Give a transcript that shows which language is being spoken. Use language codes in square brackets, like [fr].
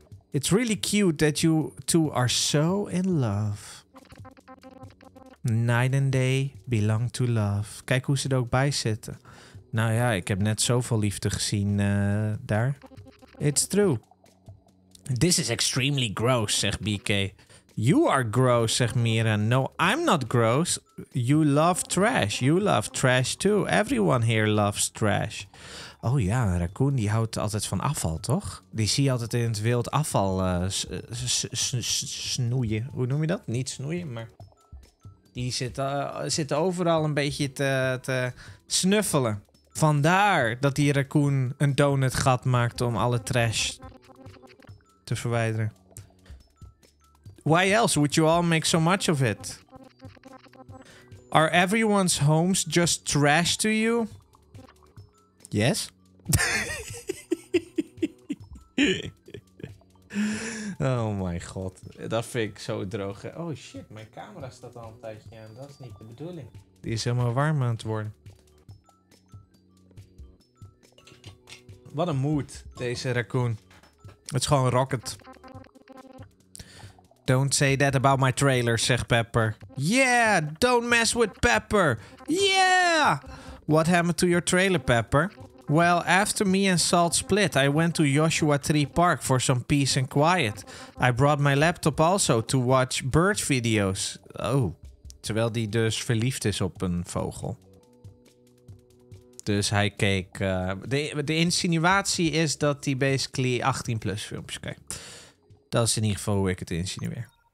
[en] It's really cute that you two are so in love. Night and day belong to love. [nl] Kijk hoe ze er ook bij zitten. Nou ja, ik heb net zoveel liefde gezien daar. [en] It's true. This is extremely gross, [nl] zegt BK. [en] You are gross, [nl] zegt Mira. [en] No, I'm not gross. You love trash. You love trash too. Everyone here loves trash. [nl] Oh ja, een raccoon die houdt altijd van afval, toch? Die zie je altijd in het wild afval snoeien. Hoe noem je dat? Niet snoeien, maar... Die zit overal een beetje te snuffelen. Vandaar dat die raccoon een donutgat maakt om alle trash te verwijderen. [en] Why else would you all make so much of it? Are everyone's homes just trash to you? Yes? Oh my god, [nl] dat vind ik zo droog. Oh shit, mijn camera staat al een tijdje aan. Dat is niet de bedoeling. Die is helemaal warm aan het worden. Wat een mood, deze raccoon. Het is gewoon rocket. [en] Don't say that about my trailer, [nl] zegt Pepper. [en] Yeah, don't mess with Pepper. Yeah! What happened to your trailer, Pepper? Well, after me and Salt split, I went to Joshua Tree Park for some peace and quiet. I brought my laptop also to watch bird videos. [nl] Oh, terwijl die dus verliefd is op een vogel. Dus hij keek... De insinuatie is dat hij basically 18 plus filmpjes kijkt. Dat is in ieder geval hoe ik het insinueer.